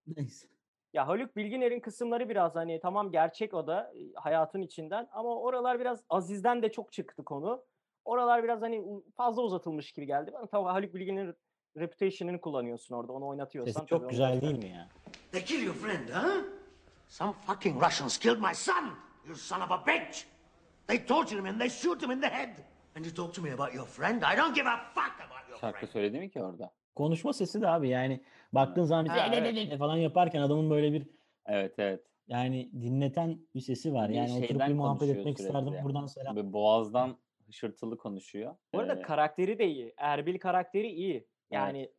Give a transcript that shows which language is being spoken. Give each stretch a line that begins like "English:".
Turkish: Neyse. Ya Haluk Bilginer'in kısımları biraz hani tamam gerçek, o da hayatın içinden. Ama oralar biraz Aziz'den de çok çıktı konu. Oralar biraz hani fazla uzatılmış gibi geldi. Bana tabii Haluk Bilginer'in reputation'ını kullanıyorsun orada. Onu oynatıyorsan. Sesi çok güzel değil mi ya?
English: They kill your friend, huh? Some fucking Russians killed my son, you son of a bitch! They tortured him and they shoot him in the head. And you talk to me about your friend, I don't give a fuck about your friend.
Turkish: Şarkı söyledi mi ki orada? Konuşma sesi de abi yani baktığın zaman bize falan yaparken adamın böyle bir... Evet evet. Yani dinleten bir sesi var yani, oturup bir muhabbet etmek isterdim yani. Buradan selam. Böyle boğazdan hışırtılı konuşuyor. Bu arada karakteri de iyi, Erbil karakteri iyi. Yani evet.